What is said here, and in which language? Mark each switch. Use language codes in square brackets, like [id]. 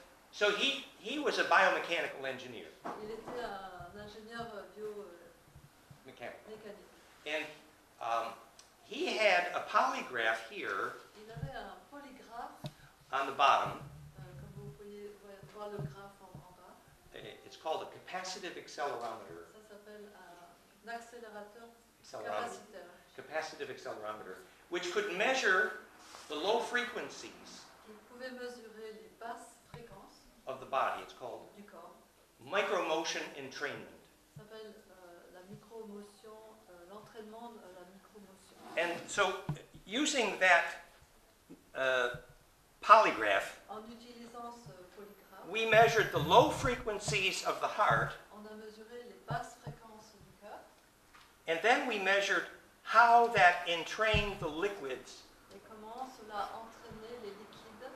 [en] So he was a biomechanical engineer. [fr] Il était un ingénieur biomécanique. [en] And he had a polygraph here. [fr] Il avait un polygraphe. [en] On the bottom. [fr] Le graphe en bas. [en] It's called a capacitive accelerometer. [fr] Ça s'appelle un accélérateur capacitaire. [en] Capacitive accelerometer, which could measure the low frequencies. [fr] Il pouvait mesurer les basses fréquences. [en] Of the body, it's called. [fr] Du corps. [en] Micromotion entrainment. [fr] Ça s'appelle la micromotion, l'entraînement de la micro. [en] And so, using that polygraph, [fr] en utilisant ce polygraph, [en] we measured the low frequencies of the heart, [fr] on a mesuré les basses fréquences du cœur, [en] and then we measured how that entrained the liquids [fr] et comment cela entraînait les liquides